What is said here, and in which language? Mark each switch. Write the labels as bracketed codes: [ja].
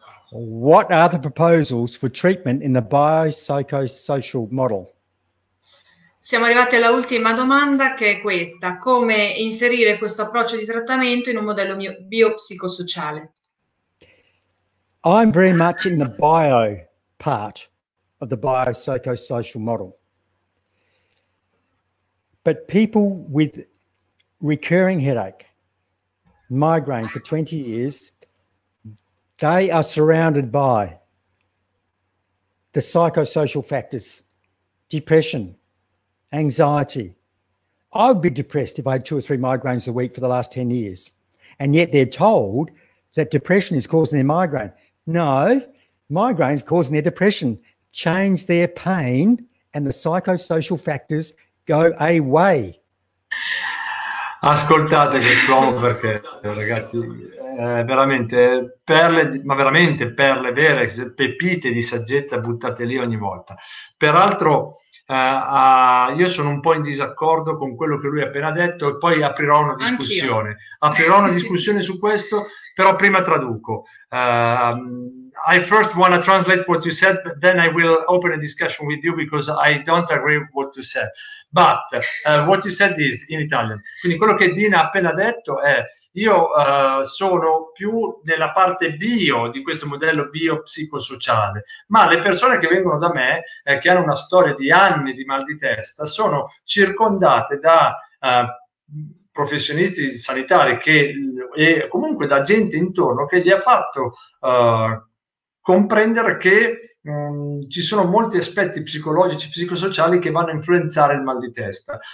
[en] What are the proposals for treatment in the biopsychosocial model? [it] Siamo arrivati alla ultima domanda, che è questa: come inserire questo approccio di trattamento in un modello biopsicosociale? [en] I'm very much in the bio part of the biopsychosocial model. But people with recurring headache, migraine for 20 years, they are surrounded by the psychosocial factors, depression, anxiety. I would be depressed if I had two or three migraines a week for the last 10 years. And yet they're told that depression is causing their migraine. No, migraine is causing their depression. Change their pain and the psychosocial factors go away. [it] Ascoltate quest'uomo perché, ragazzi, veramente perle, ma veramente perle vere, pepite di saggezza buttate lì ogni volta. Peraltro, io sono un po' in disaccordo con quello che lui ha appena detto, e poi aprirò una discussione. Anch'io. Aprirò una discussione su questo, però prima traduco. [en] I first want to translate what you said, but then I will open a discussion with you because I don't agree with what you said. But what you said is in Italian. [it] Quindi quello che Dina ha appena detto è: io sono più nella parte bio di questo modello biopsicosociale, ma le persone che vengono da me, che hanno una storia di anni di mal di testa, sono circondate da professionisti sanitari e comunque da gente intorno che gli ha fatto comprendere che ci sono molti aspetti psicologici, psicosociali che vanno a influenzare il mal di testa.